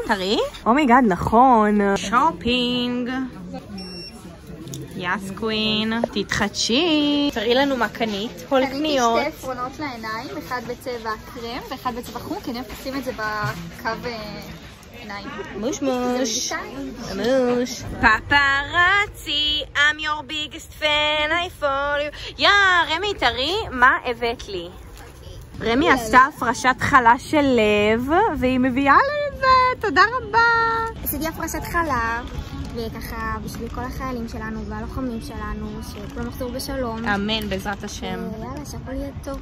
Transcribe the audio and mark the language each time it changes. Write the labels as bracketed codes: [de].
[he] תראי? אומייגאד, נכון. שופינג. יאס קווין, תתחדשי. תראי לנו מה קנית, כל קניות. קניתי שתי עפרונות לעיניים, אחד בצבע קרם ואחד בצבע חום, כי אני אוהב לשים את זה בקו עיניים. מוש מוש. מוש. פפראצי, [en] I'm your biggest fan, I follow you. [he] יאה, רמי, תראי מה הבאת לי. רמי עשתה הפרשת חלה של לב, והיא מביאה לי את זה, תודה רבה. עשיתי הפרשת חלה. וככה בשביל כל החיילים שלנו והלוחמים שלנו, שכולם יחזרו בשלום. אמן, בעזרת השם. יאללה, שהכל יהיה טוב.